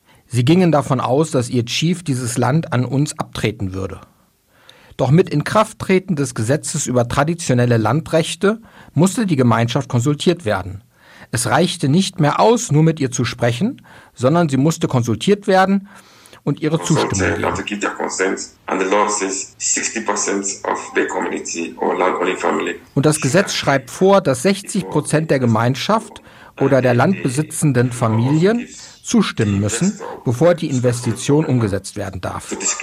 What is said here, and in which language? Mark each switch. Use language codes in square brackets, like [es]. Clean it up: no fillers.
[de] Sie gingen davon aus, dass ihr Chief dieses Land an uns abtreten würde. Doch mit Inkrafttreten des Gesetzes über traditionelle Landrechte musste die Gemeinschaft konsultiert werden. Es reichte nicht mehr aus, nur mit ihr zu sprechen, sondern sie musste konsultiert werden und ihre Zustimmung geben. [en] Also, give their consent. And the law says 60% of the community or land-owning family. [de] Und das Gesetz schreibt vor, dass 60% der Gemeinschaft oder der landbesitzenden Familien zustimmen müssen, bevor die Investition umgesetzt werden darf.